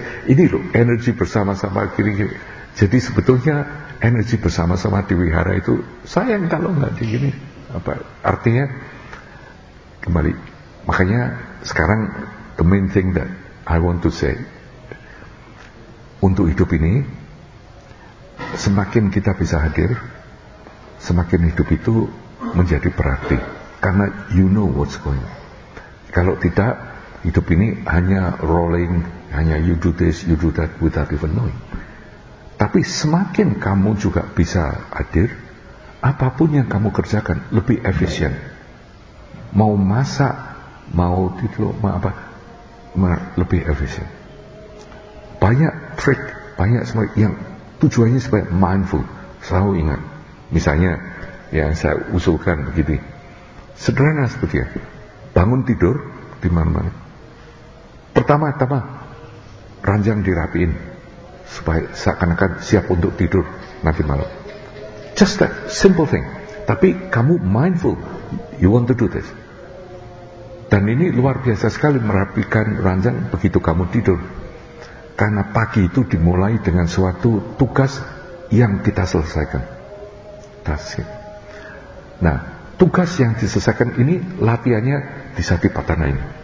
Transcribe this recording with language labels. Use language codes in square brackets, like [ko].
[id] Ini loh, energi bersama-sama kiri-kiri. Jadi sebetulnya energi bersama-sama di wihara itu sayang kalau nggak begini. Apa artinya? Kembali, makanya sekarang [en] the main thing that I want to say [id] untuk hidup ini, semakin kita bisa hadir, semakin hidup itu menjadi berarti. [en] Karena you know what's going on. [id] Kalau tidak, hidup ini hanya rolling, hanya [en] you do this, you do that without even knowing. [id] Tapi semakin kamu juga bisa hadir, apapun yang kamu kerjakan lebih efisien. Mau masak, mau itu apa, lebih efisien. Banyak trik, banyak semua yang tujuannya supaya mindful, selalu ingat. Misalnya yang saya usulkan begini, sederhana seperti ya, bangun tidur di mana-mana. Pertama-tama ranjang dirapiin supaya seakan-akan siap untuk tidur nanti malam. [en] Just that simple thing. [id] Tapi kamu mindful, [en] you want to do this. [id] Dan ini luar biasa sekali merapikan ranjang begitu kamu tidur. Karena pagi itu dimulai dengan suatu tugas yang kita selesaikan. Tasik. Nah, tugas yang diselesaikan ini latihannya di Satipatthana ini.